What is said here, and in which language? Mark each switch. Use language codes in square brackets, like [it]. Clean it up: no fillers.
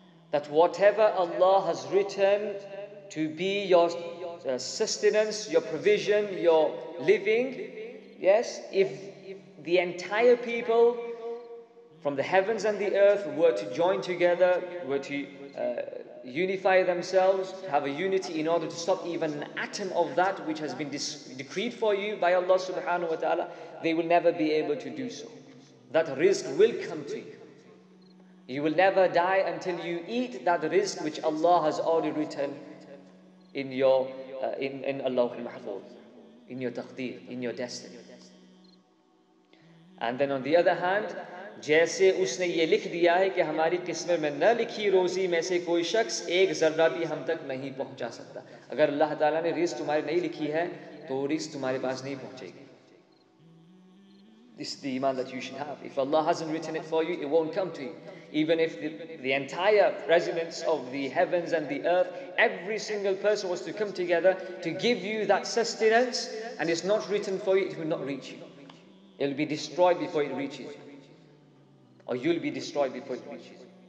[en] That whatever Allah has written to be your sustenance, your provision, your living, yes, if the entire people from the heavens and the earth were to join together, were to unify themselves, have a unity in order to stop even an atom of that which has been decreed for you by Allah subhanahu wa ta'ala, they will never be able to do so. That rizq will come to you. You will never die until you eat that rizq which Allah has already written in your in Allah al-Mahfuz, in your taqdeer, in your destiny. And then on the other hand, [ur] جیسے اس نے یہ لکھ دیا ہے کہ ہماری قسم میں نہ لکھی روزی میں سے کوئی شخص ایک ذرہ بھی ہم تک نہیں پہنچا سکتا. اگر اللہ تعالیٰ نے رزق تمہاری نہیں لکھی ہے تو رزق تمہارے پاس نہیں پہنچے گی. [en] This is the iman that you should have. If Allah hasn't written it for you, it won't come to you. Even if the entire residents of the heavens and the earth, every single person was to come together to give you that sustenance, and it's not written for you, it will not reach you. It will be destroyed before it reaches you. Or you'll be destroyed before it reaches you.